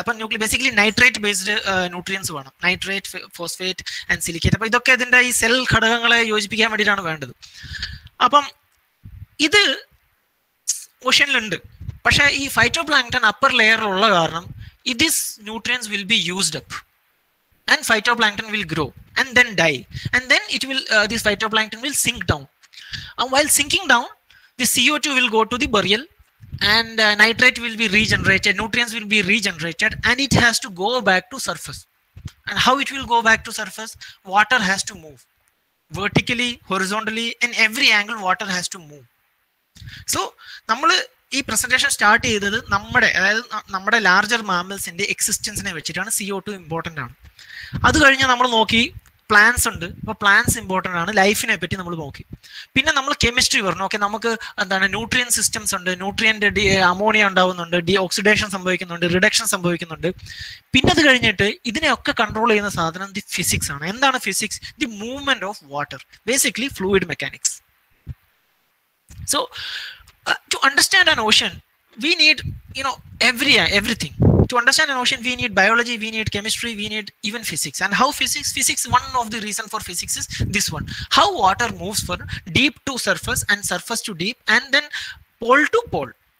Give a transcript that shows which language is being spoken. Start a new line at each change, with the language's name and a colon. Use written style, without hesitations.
Malayalam: അപ്പം nuclei basically nitrate based nutrients വേണം. Nitrate, phosphate and silicate. അപ്പം ഇതൊക്കെ ഇതിൻ്റെ ഈ സെൽ ഘടകങ്ങളെ യോജിപ്പിക്കാൻ വേണ്ടിയിട്ടാണ് വേണ്ടത്. അപ്പം ഇത് ഓഷ്യനിലുണ്ട്, പക്ഷേ ഈ ഫൈറ്റോപ്ലാങ്ടൺ അപ്പർ ലെയറിലുള്ള കാരണം
English: It is nutrients will be used up and phytoplankton will grow. and then die. And then it will this phytoplankton will sink down. And while sinking down, the CO2 will go to the burial, and nitrate will be regenerated, nutrients will be regenerated, and it has to go back to surface. And how it will go back to surface? Water has to move vertically, horizontally, in every angle. Water has to move.
Malayalam: So, നമ്മള് ഈ presentation start ചെയ്തത് നമ്മുടെ അതായത് നമ്മുടെ larger മാമൽസിന്റെ എക്സിസ്റ്റൻസിനെ വെച്ചിട്ടാണ്. CO to important ആണ്. അത് കഴിഞ്ഞാൽ നമ്മൾ നോക്കി പ്ലാന്റ്സ് ഉണ്ട്, അപ്പോൾ പ്ലാന്റ്സ് ഇമ്പോർട്ടൻ്റ് ആണ്. ലൈഫിനെ പറ്റി നമ്മൾ നോക്കി. പിന്നെ നമ്മൾ കെമിസ്ട്രി പറഞ്ഞു. ഓക്കെ, നമുക്ക് എന്താണ് ന്യൂട്രിയൻ സിസ്റ്റംസ് ഉണ്ട്, ന്യൂട്രിയൻ്റ് ഡി അമോണിയ ഉണ്ടാവുന്നുണ്ട്, ഡി ഓക്സിഡേഷൻ സംഭവിക്കുന്നുണ്ട്, റിഡക്ഷൻ സംഭവിക്കുന്നുണ്ട്. പിന്നെ അത് കഴിഞ്ഞിട്ട് ഇതിനെയൊക്കെ കൺട്രോൾ ചെയ്യുന്ന സാധനം ദി ഫിസിക്സ് ആണ്. എന്താണ് physics?
English: The movement of water, basically fluid mechanics. So to understand an ocean, we need, you know, everything. To understand an ocean, we need biology, we need chemistry, we need even physics. And how physics? Physics, one of the reason for physics is this one: how water moves from deep to surface and surface to deep and then pole to pole.